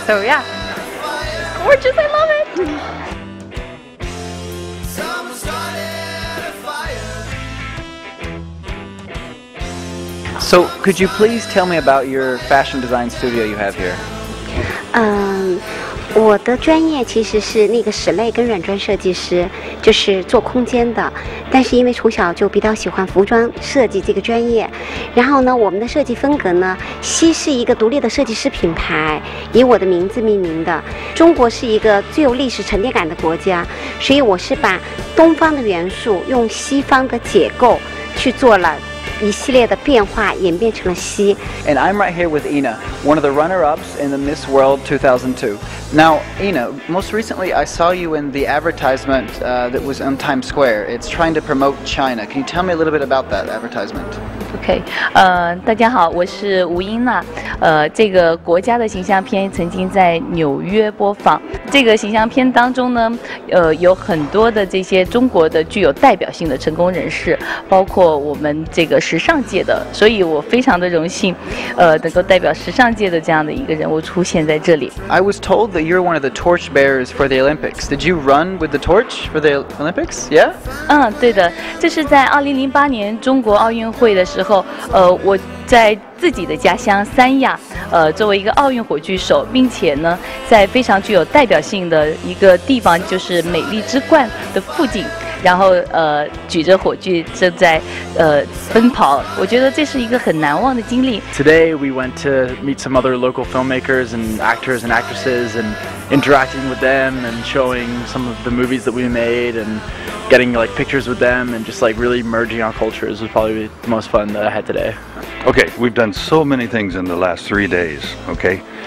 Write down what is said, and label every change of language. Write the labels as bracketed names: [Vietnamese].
[English] So yeah, gorgeous, I love it. So could you please tell me about your fashion design studio you have here? [Chinese] 我的专业其实是那个室内跟软装设计师，就是做空间的，但是因为从小就比较喜欢服装设计这个专业，然后呢，我们的设计风格呢，西是一个独立的设计师品牌，以我的名字命名的。中国是一个最有历史沉淀感的国家，所以我是把东方的元素用西方的结构去做了一系列的变化，演变成了西。 [English] And I'm right here with Ina, one of the runner-ups in the Miss World 2002. Now, Ina, most recently I saw you in the advertisement that was on Times Square. It's trying to promote China. Can you tell me a little bit about that advertisement? [Chinese] Okay, 大家好，我是吴英娜。这个国家的形象片曾经在纽约播放。这个形象片当中呢，有很多的这些中国的具有代表性的成功人士，包括我们这个时尚界的，所以我非常的荣幸，能够代表时尚界的这样的一个人物出现在这里。 [English] I was told that you're one of the torch bearers for the Olympics. Did you run with the torch for the Olympics? Yeah. [Chinese] 嗯，对的，这是在2008年中国奥运会的时候，我在自己的家乡三亚，作为一个奥运火炬手，并且呢，在非常具有代表性的一个地方，就是美丽之冠的附近，然后举着火炬正在奔跑，我觉得这是一个很难忘的经历。 [English] Today we went to meet some other local filmmakers and actors and actresses and interacting with them and showing some of the movies that we made and getting like pictures with them and just like really merging our cultures was probably the most fun that I had today. Okay, we've done so many things in the last 3 days, okay?